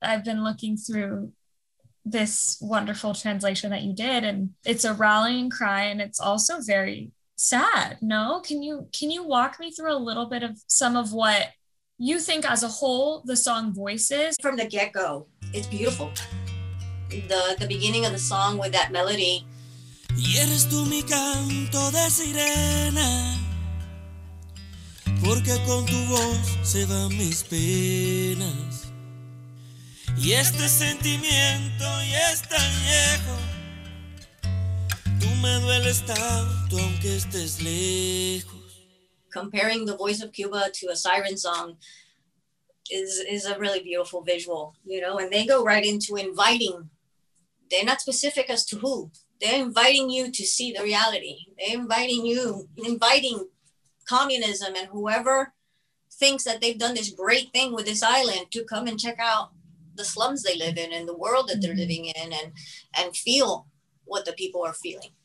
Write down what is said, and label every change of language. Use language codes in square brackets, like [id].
[en] I've been looking through this wonderful translation that you did, and it's a rallying cry, and it's also very sad. No, can you walk me through a little bit of some of what you think as a whole the song voices? From the get-go, it's beautiful. The beginning of the song with that melody. [es] Y eres tú mi canto de sirena, porque con tu voz se van mis penas. Y este sentimiento ya es tan viejo, tú me dueles tanto aunque estés lejos. [en] Comparing the voice of Cuba to a siren song is a really beautiful visual, you know, and they go right into inviting. They're not specific as to who. They're inviting you to see the reality. They're inviting you, inviting communism and whoever thinks that they've done this great thing with this island to come and check out the slums they live in and the world that they're living in and feel what the people are feeling.